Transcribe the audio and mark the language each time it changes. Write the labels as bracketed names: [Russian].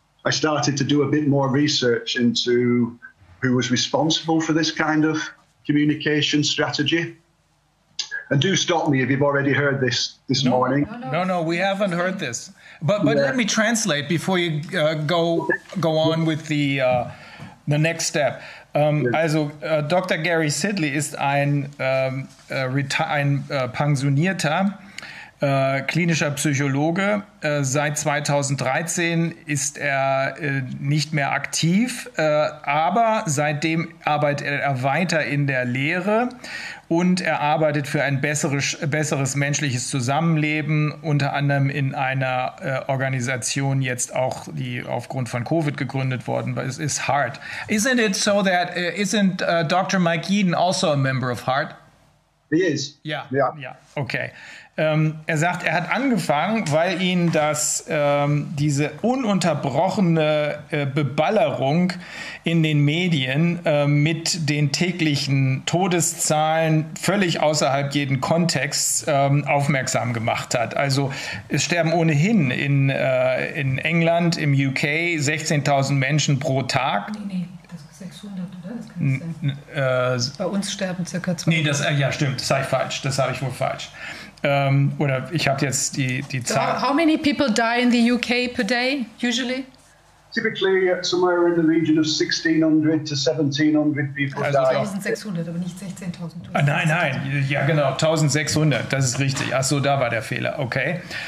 [English] I started to do a bit more research into who was responsible for this kind of communication strategy. And do stop me if you've already heard this morning. No, we haven't heard this. But yeah. Let me translate before you go on with the next step. Dr. [German] Gary Sidley ist ein pensionierter klinischer Psychologe. Seit 2013 ist er nicht mehr aktiv, aber seitdem arbeitet er weiter in der Lehre. Und er arbeitet für ein besseres menschliches Zusammenleben, unter anderem in einer Organisation, jetzt auch, die aufgrund von COVID gegründet worden ist, [English] is HEART. Isn't it so that, isn't Dr. Mike Yeadon also a member of HEART? He is. Yeah. Okay. [German] Er sagt, er hat angefangen, weil ihn diese ununterbrochene Beballerung in den Medien mit den täglichen Todeszahlen völlig außerhalb jeden Kontext aufmerksam gemacht hat. Also es sterben ohnehin in England, im UK 16.000 Menschen pro Tag. Nee. 600, oder? Das bei uns sterben circa 200. Nee, das habe ich wohl falsch. Oder ich habe jetzt die Zahl. [English] How many people die in the UK per day, usually? Typically somewhere in the region of 1600 to 1700 people also die. [German] 1600, aber nicht 16.000. Nein, ja genau, 1600, das ist richtig. Ach so, da war der Fehler, okay.